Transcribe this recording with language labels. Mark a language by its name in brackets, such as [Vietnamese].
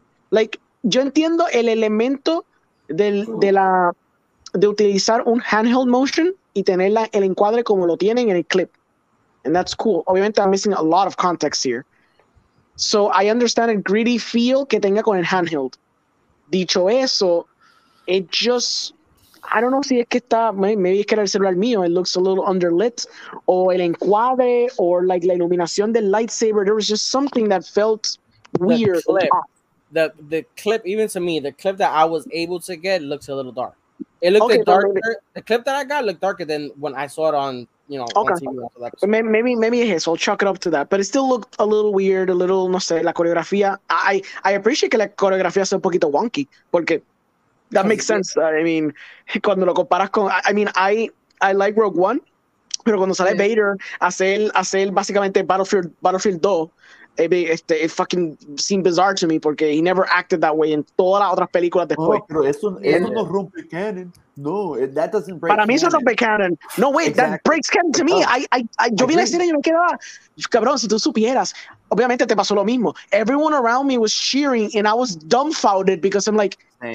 [Spanish] Like, yo entiendo el elemento de utilizar un handheld motion y tener el encuadre como lo tienen en el clip. [English] And that's cool. Obviamente, I'm missing a lot of context here. So, I understand a gritty feel que tenga con el handheld. Dicho eso, it just, I don't know si es que está, maybe es que era el celular mío, it looks a little underlit, o el encuadre, or like la iluminación del lightsaber, there was just something that felt weird. The clip, even to me, the clip that I was able to get looks a little dark. It looked like darker. The clip that I got looked darker than when I saw it on, you know, okay, on TV. Okay. Maybe it is. So I'll chalk it up to that. But it still looked a little weird, a little, no sé, la coreografía. [Spanish] I appreciate que la coreografía sea un poquito wonky, porque that makes sense. [English] I mean, cuando lo comparas con, I like Rogue One, pero cuando sale Vader, hacer básicamente Battlefield 2, it fucking seemed bizarre to me because he never acted that way in todas las otras películas después. [Spanish] Oh, pero eso no rompe canon. No, that doesn't break. Para mí eso rompe canon. [English] No, wait, exactly. That breaks canon to me. [Spanish] Yo vi la escena y yo me quedaba, cabrón, si tú supieras. Obviamente te pasó lo mismo. [English] Everyone around me was cheering and I was dumbfounded because I'm like, same.